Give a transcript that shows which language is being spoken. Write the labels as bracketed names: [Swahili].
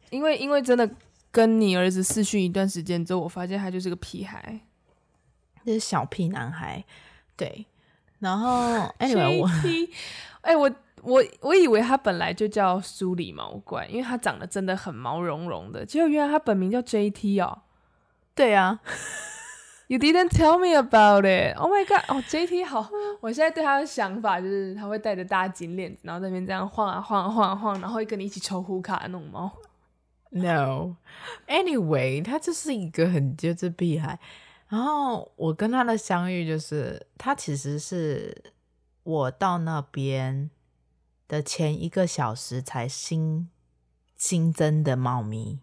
[Chinese] 因为真的跟你儿子视讯一段时间之后，我发现他就是个屁孩，就是小屁男孩。对，然后 anyway, JT 我以为他本来就叫苏里毛怪，因为他长得真的很毛茸茸的，结果原来他本名叫 JT 哦。对啊。 [English] You didn't tell me about it. Oh my god. 哦、oh, JT 好。 [Chinese] 我现在对他的想法就是他会带着大金链子，然后在那边这样晃啊晃啊晃啊晃，然后会跟你一起抽呼卡的那种猫。 [English] No. [Chinese] Anyway, 他就是一个很就是屁孩。然后我跟他的相遇就是他其实是我到那边的前一个小时才新增的猫咪，